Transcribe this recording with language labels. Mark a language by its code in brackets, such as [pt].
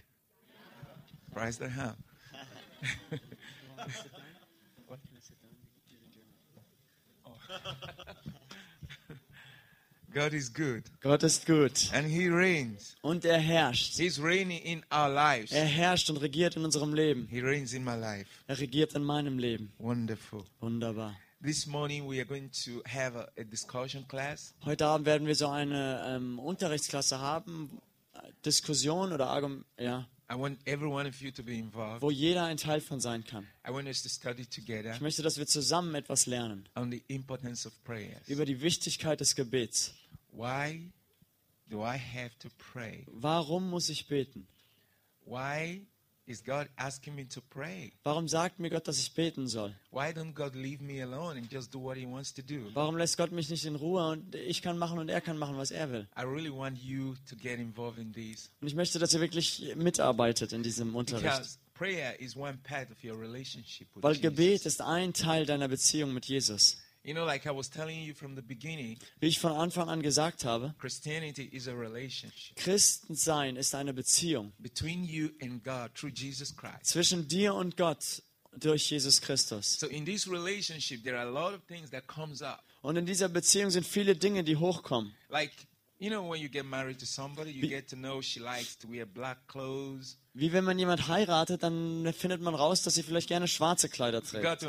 [de] Ja. [en] Praise the Lord. God is good. [de] Gott ist gut. [en] And he reigns. [de] Und er herrscht. [en] He's reigning in our lives. [de] Er herrscht und regiert in unserem Leben. [en] He reigns in my life. [de] Er regiert in meinem Leben. [en] Wonderful. [de] Wunderbar. [en] This morning we are going to have a discussion class. [de] Heute Abend werden wir so eine Unterrichtsklasse haben, Diskussion oder ja. [en] I want every one of you to be involved. [de] Wo jeder ein Teil von sein kann. [en] I want us to study together. [de] Ich möchte, dass wir zusammen etwas lernen. [en] On the importance of prayers. [de] Über die Wichtigkeit des Gebets. [en] Why do I have to pray? [de] Warum muss ich beten? [en] Why is God asking me to pray? [de] Warum sagt mir Gott, dass ich beten soll? [en] Why don't God leave me alone and just do what he wants to do? [de] Warum lässt Gott mich nicht in Ruhe und ich kann machen und er kann machen, was er will? [en] I really want you to get involved in this. [de] Und ich möchte, dass ihr wirklich mitarbeitet in diesem Unterricht. [en] Because prayer is one part of your relationship with [de] Weil Gebet ist ein Teil deiner Beziehung mit Jesus. [en] You know, like I was telling you from the beginning. [de] Wie ich von Anfang an gesagt habe, [en] Christianity is a relationship. [de] Christsein ist eine Beziehung [en] between you and God through Jesus Christ. [de] Zwischen dir und Gott durch Jesus Christus. [en] So in this relationship there are a lot of things that comes up. [de] Und in dieser Beziehung sind viele Dinge, die hochkommen. [en] Like, you know, when you get married to somebody, you get to know she likes to wear black clothes. [de] Wie wenn man jemand heiratet, dann findet man raus, dass sie vielleicht gerne schwarze Kleider trägt.